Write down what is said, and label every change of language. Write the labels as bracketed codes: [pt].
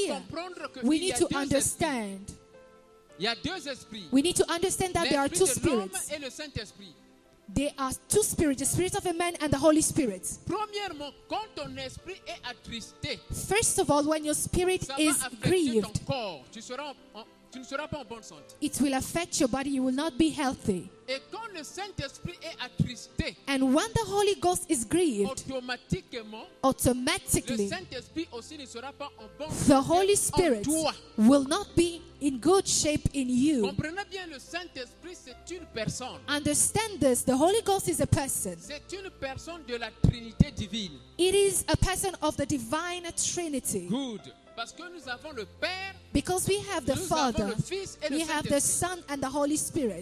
[fr] devons comprendre que [en] we need to understand [fr] il y a deux esprits. [en] We need to understand that [fr] l'esprit [en] there are two spirits. [fr] Et le Saint-Esprit. [en] There are two spirits, the spirit of a man and the Holy Spirit. [fr] Premièrement, quand ton esprit est attristé, [en] first of all, when your spirit is grieved, [fr] ton corps, tu ne seras pas en bonne santé. [en] It will affect your body, you will not be healthy. [fr] Et quand le Saint-Esprit est attristé, [en] and when the Holy Ghost is grieved, [fr] automatiquement, [en] automatically, [fr] le Saint-Esprit aussi ne sera pas en bonne [en] santé. The Holy Spirit will not be in good shape in you. [fr] Comprenez bien, le Saint-Esprit, c'est une personne. [en] Understand this, the Holy Ghost is a person. [fr] C'est une personne de la Trinité divine. [en] It is a person of the divine Trinity. [fr] Good. Parce que nous avons le Père, [en] because we have the Father, we have the Son and the Holy Spirit.